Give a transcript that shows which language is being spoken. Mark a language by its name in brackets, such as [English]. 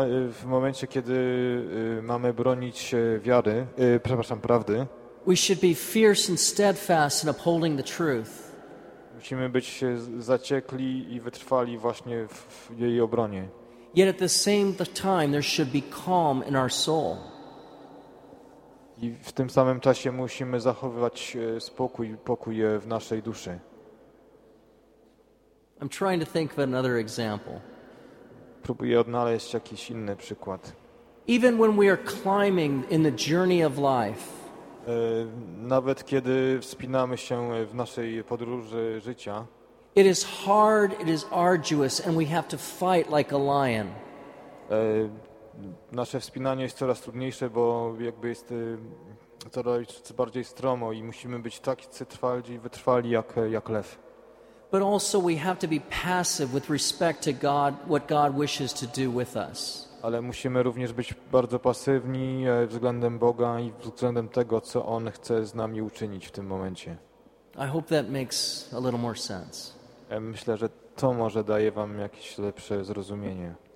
[Polish] w momencie, kiedy mamy bronić wiary, prawdy, [English] we should be fierce and steadfast in upholding the truth. [Polish] Musimy być zaciekli i wytrwali właśnie w jej obronie. [English] Yet at the same time there should be calm in our soul. [Polish] I w tym samym czasie musimy zachowywać pokój w naszej duszy. [English] I'm trying to think of another example. [Polish] Próbuję odnaleźć jakiś inny przykład. [English] Even when we are climbing in the journey of life. [Polish] Nawet kiedy wspinamy się w naszej podróży życia. [English] It is hard, it is arduous, and we have to fight like a lion. [Polish] Nasze wspinanie jest coraz trudniejsze, bo jakby jest coraz bardziej stromo i musimy być tacy twardzi i wytrwali jak lew. [English] But also we have to be passive with respect to God, what God wishes to do with us. [Polish] Ale musimy również być bardzo pasywni względem Boga i względem tego, co On chce z nami uczynić w tym momencie. [English] I hope that makes a little more sense. [Polish] Ja myślę, że to może daje wam jakieś lepsze zrozumienie.